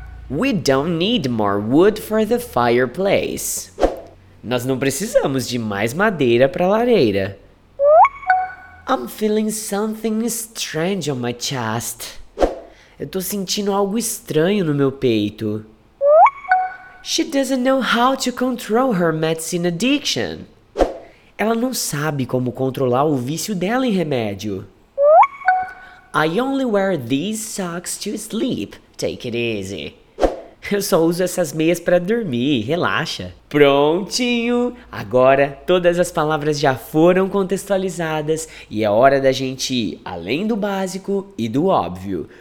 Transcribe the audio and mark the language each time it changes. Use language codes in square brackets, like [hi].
[en] We don't need more wood for the fireplace. [pt] Nós não precisamos de mais madeira para a lareira. [en] I'm feeling something strange on my chest. [pt] Eu tô sentindo algo estranho no meu peito. [en] She doesn't know how to control her medicine addiction. [pt] Ela não sabe como controlar o vício dela em remédio. [en] I only wear these socks to sleep. Take it easy. [pt] Eu só uso essas meias para dormir, relaxa. Prontinho! Agora todas as palavras já foram contextualizadas e é hora da gente ir além do básico e do óbvio.